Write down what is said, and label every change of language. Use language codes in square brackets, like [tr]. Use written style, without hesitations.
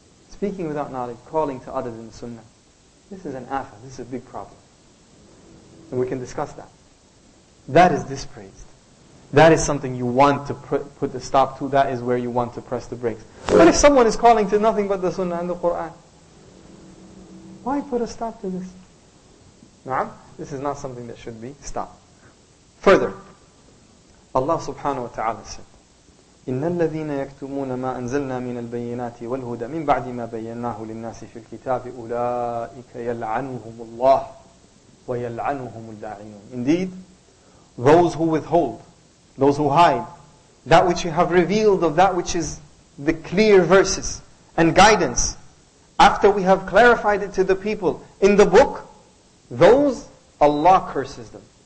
[en] Speaking without knowledge, calling to other than the sunnah. This is an afa, this is a big problem. And we can discuss that. That is dispraised. That is something you want to put the stop to. That is where you want to press the brakes. But if someone is calling to nothing but the sunnah and the Qur'an, why put a stop to this? Na'am? This is not something that should be stopped. Further, Allah subhanahu wa ta'ala said, [ar] إِنَّ الَّذِينَ يَكْتُمُونَ مَا أَنزَلْنَا مِنَ الْبَيِّنَاتِ وَالْهُدَى مِنْ بَعْدِ مَا بَيَّنَّاهُ لِلنَّاسِ فِي الْكِتَابِ أُولَٰئِكَ يَلْعَنُهُمُ اللَّهُ وَيَلْعَنُهُمُ الْدَاعِينُ. [en] Indeed, those who withhold, those who hide, that which you have revealed of that which is the clear verses and guidance, after we have clarified it to the people in the book, those, Allah curses them.